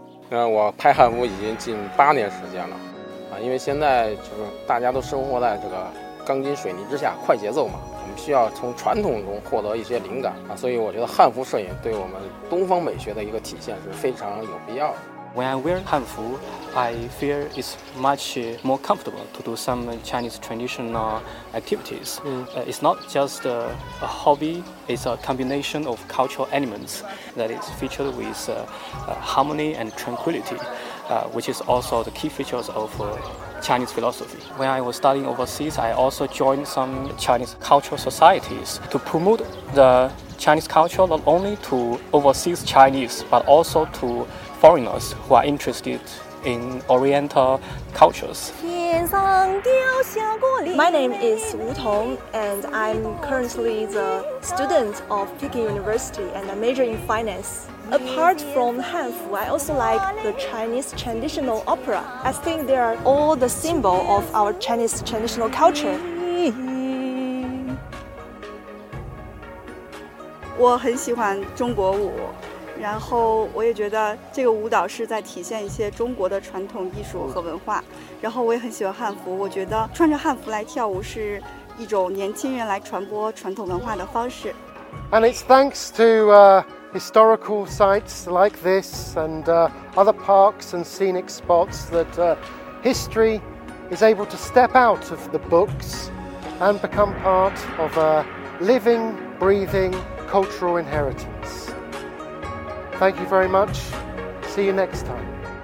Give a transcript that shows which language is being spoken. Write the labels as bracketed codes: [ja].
[zh] 我拍汉服已经近八年时间了，因为现在就是大家都生活在这个钢筋水泥之下，快节奏嘛，我们需要从传统中获得一些灵感啊，所以我觉得汉服摄影对我们东方美学的一个体现是非常有必要的。 [en] When I wear hanfu, I feel it's much more comfortable to do some Chinese traditional activities. Mm. It's not just a hobby, it's a combination of cultural elements that is featured with harmony and tranquility, which is also the key features of Chinese philosophy. When I was studying overseas, I also joined some Chinese cultural societies to promote the Chinese culture not only to overseas Chinese, but also to foreigners who are interested in Oriental cultures. My name is Wu Tong, and I'm currently the student of Peking University and a major in finance. Apart from Hanfu, I also like the Chinese traditional opera. I think they are all the symbol of our Chinese traditional culture. [zh] 我很喜欢中国舞，然后我也觉得这个舞蹈是在体现一些中国的传统艺术和文化，然后我也很喜欢汉服，我觉得穿着汉服来跳舞是一种年轻人来传播传统文化的方式。 [en] And it's thanks to historical sites like this and other parks and scenic spots that history is able to step out of the books and become part of a living, breathing cultural inheritance. Thank you very much. See you next time.